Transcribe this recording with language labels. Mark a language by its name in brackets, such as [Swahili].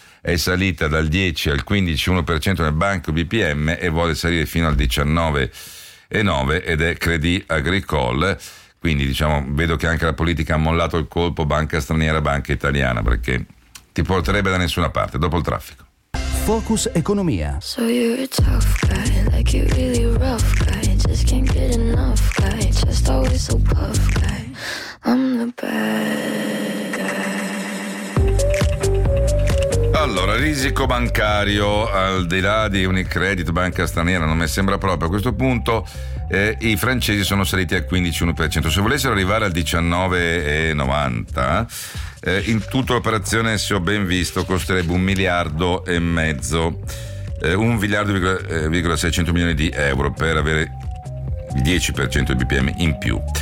[Italian] è salita dal 10 al 15,1% nel Banco BPM e vuole salire fino al 19,9% ed è Crédit Agricole. Quindi diciamo, vedo che anche la politica ha mollato il colpo, banca straniera, banca italiana, perché ti porterebbe da nessuna parte, dopo il traffico. Focus Economia. [English] So you're a tough guy, like you're really rough guy, just can't get enough guy, just always so puff guy, I'm the bad guy. [Italian] Allora, risico bancario, al di là di Unicredit, banca straniera, non mi sembra proprio a questo punto. I francesi sono saliti al 15,1%, se volessero arrivare al 19,90%, in tutta l'operazione, se ho ben visto, costerebbe 1,5 miliardi, 1,6 miliardi milioni di euro per avere il 10% di BPM in più.